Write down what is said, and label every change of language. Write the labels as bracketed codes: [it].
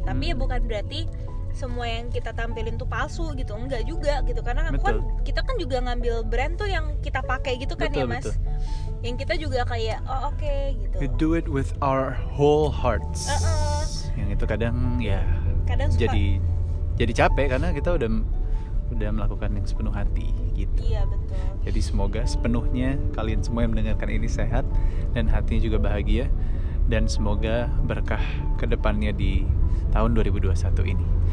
[id] Tapi ya bukan berarti semua yang kita tampilin tuh palsu gitu. Enggak juga gitu. Karena kan kita kan juga ngambil brand tuh yang kita pakai gitu kan, betul, ya Mas. Betul. Yang kita juga kayak oh oke gitu. [en] We do it with our whole hearts. [id] Yang itu kadang ya kadang suka jadi capek karena kita udah melakukan yang sepenuh hati gitu. Iya, betul. Jadi semoga sepenuhnya kalian semua yang mendengarkan ini sehat dan hatinya juga bahagia, dan semoga berkah kedepannya di tahun 2021 ini.